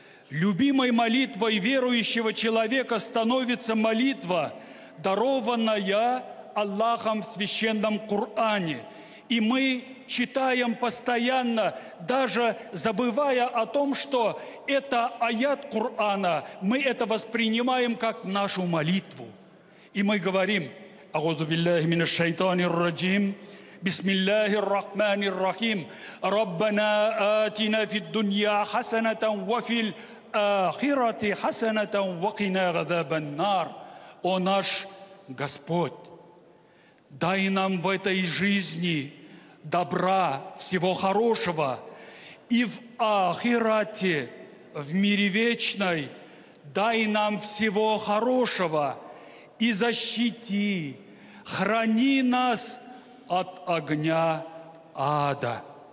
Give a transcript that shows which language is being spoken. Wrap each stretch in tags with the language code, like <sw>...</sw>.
<ru>Любимой молитвой верующего человека становится молитва, дарованная Аллахом в священном Коране. И мы читаем постоянно, даже забывая о том, что это аят Корана, мы это воспринимаем как нашу молитву. И мы говорим: «Аузу биллахи минаш шайтанир раджим».</ru> <ar>بسم الله الرحمن الرحيم ربنا آتنا في الدنيا حسنة وفي الآخرة حسنة وقنا عذاب النار.</ar> <ru>О наш Господь, дай нам в этой жизни добра, всего хорошего, и в ахирате, в мире вечной, дай нам всего хорошего, и защити, храни нас от огня ада.</ru>